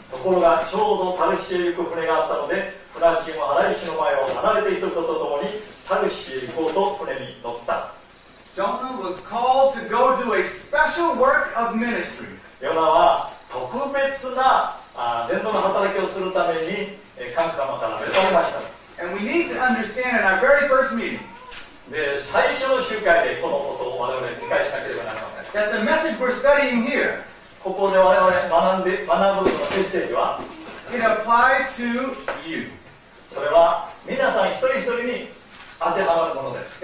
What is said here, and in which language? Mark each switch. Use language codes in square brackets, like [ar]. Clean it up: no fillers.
[ja] ところがちょうどタルシシへ行く船があったので、船賃を払い、主の前を離れていた人とともにタルシシへ行こうと船に乗った。 [en] Jonah was called to go do a special work of ministry. [ja] ヨナは特別な伝道の働きをするために神様から召されました。 [en] And we need to understand in our very first meeting. [ja] で、最初の集会でこのことを我々に理解しなければなりません。 [en] That the message we're studying here, [ja] ここで我々学ぶのメッセージは、 [en] it applies to you. [ja] それは皆さん一人一人に当てはまるものです。